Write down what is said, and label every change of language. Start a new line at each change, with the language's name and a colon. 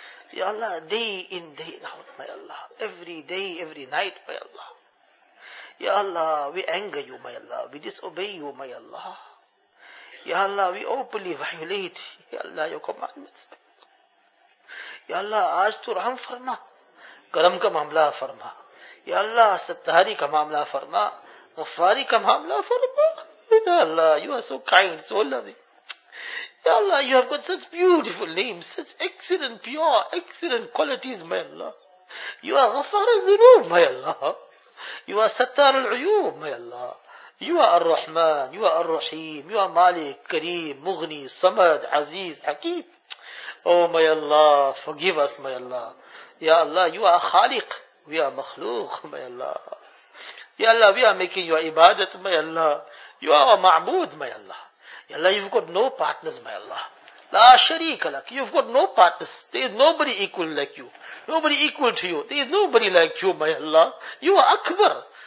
English: Ya Allah, day in, day out, my Allah. Every day, every night, my Allah. Ya Allah, we anger you, my Allah. We disobey you, my Allah. Ya Allah, we openly violate, ya Allah, your commandments.
Urdu: Ya Allah, aaj tu raham farma. کرم کا معاملہ فرما، یا اللہ ستاری کا معاملہ فرما، غفاری کا معاملہ فرما.
English: یا اللہ you are so kind, so loving. یا اللہ you have got such beautiful names, such excellent, pure, excellent qualities, my Allah. You are غفار الذنوب, my Allah. You are ستار العیوب, my Allah. You are الرحمن, you are الرحیم, you are مالک, کریم, مغنی, صمد, عزیز, حکیم. Oh my Allah, forgive us, my Allah. Ya Allah, you are Khaliq, we are Makhluq, my Allah. Ya Allah, we are making your ibadat, my Allah. You are our Ma'bud, my Allah. Ya Allah, you've got no partners, my Allah.
Arabic: La Sharika lak,
English: you've got no partners. There is nobody equal like you. Nobody equal to you. There is nobody like you, my Allah. You are Akbar.